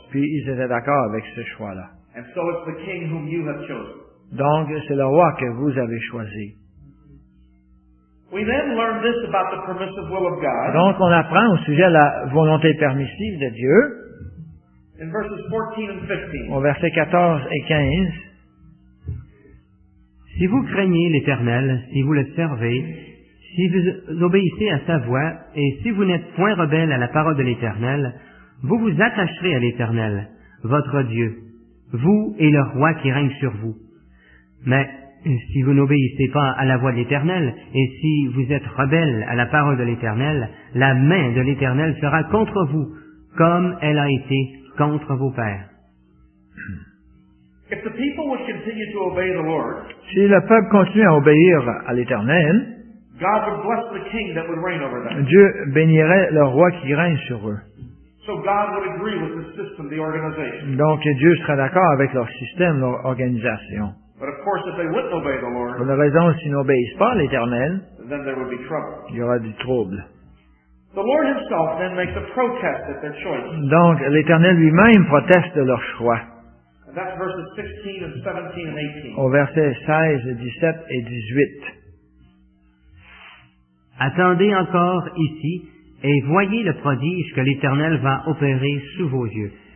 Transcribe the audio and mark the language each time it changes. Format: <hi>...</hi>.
<fr>Puis ils étaient d'accord avec ce choix-là.</fr> <en>And so it's the king whom you have chosen.</en> <fr>Donc c'est le roi que vous avez choisi.</fr> <en>We then learn this about the permissive will of God.</en> <fr>Donc on apprend au sujet de la volonté permissive de Dieu.</fr> <en>In verses 14 and 15.</en> <fr>Au verset 14 et 15. Si vous craignez l'Éternel, si vous le servez, si vous obéissez à sa voix, et si vous n'êtes point rebelle à la parole de l'Éternel, vous vous attacherez à l'Éternel, votre Dieu, vous et le roi qui règne sur vous. Mais si vous n'obéissez pas à la voix de l'Éternel, et si vous êtes rebelle à la parole de l'Éternel, la main de l'Éternel sera contre vous, comme elle a été contre vos pères.</fr> <en>If the people would continue to obey the Lord,</en> <fr>si le peuple continue à obéir à l'Éternel,</fr> <en>God would bless the king that would reign over them.</en> <fr>Dieu bénirait le roi qui règne sur eux.</fr> <en>So God would agree with the system, the organization.</en> <fr>Donc Dieu sera d'accord avec leur système, leur organisation.</fr> <en>But of course, if they wouldn't obey the Lord,</en> <fr>pour la raison, s'ils n'obéissent pas à l'Éternel,</fr> <en>then there would be trouble.</en> <fr>Il y aura du trouble.</fr> <en>The Lord himself then makes a protest at their choice.</en> <fr>Donc l'Éternel lui-même proteste de leur choix.</fr> <en>And that's verses 16 and 17 and 18.</en> <fr>Au verset 16, 17 et 18. Attendez encore ici et voyez le prodige que l'Éternel va opérer sous vos yeux.</fr>